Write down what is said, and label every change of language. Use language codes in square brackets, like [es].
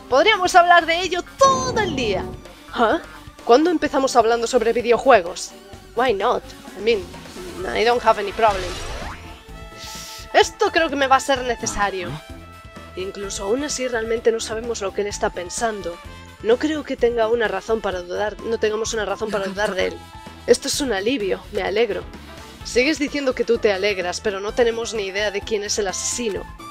[es] Podríamos hablar de ello todo el día. ¿Huh? ¿Cuándo empezamos hablando sobre videojuegos? [en] Why not? I mean, I don't have any problem. [es] Esto creo que me va a ser necesario. Incluso aún así realmente no sabemos lo que él está pensando. No creo que tenga una razón para dudar. No tengamos una razón para dudar de él. Esto es un alivio, me alegro. Sigues diciendo que tú te alegras, pero no tenemos ni idea de quién es el asesino.